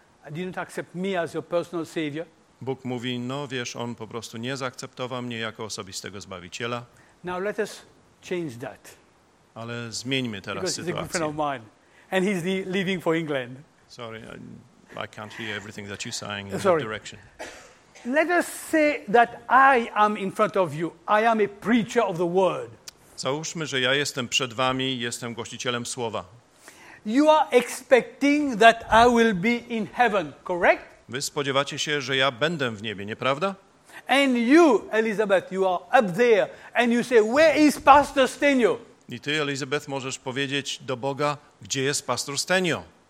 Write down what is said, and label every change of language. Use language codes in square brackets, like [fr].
[en] didn't accept me as your personal savior. [pl] Bóg mówi, no wiesz, on po prostu nie zaakceptował mnie jako osobistego Zbawiciela. [en] Now let us change that. [pl] Ale zmieńmy teraz [en] because [pl] sytuację. [en] It's a good friend of mine. and he's leaving for England. Sorry, I can't hear everything that you're saying in that direction. Let us say that I am in front of you. I am a preacher of the word. [pl] Załóżmy, że ja jestem przed wami, jestem głosicielem słowa. [en] You are expecting that I will be in heaven, correct? [pl] Wy spodziewacie się, że ja będę w niebie, nieprawda? [en] And you, Elizabeth, you are up there and you say, where is Pastor Stenio? [pl] I ty, Elizabeth, możesz powiedzieć do Boga, gdzie jest Pastor Stenio?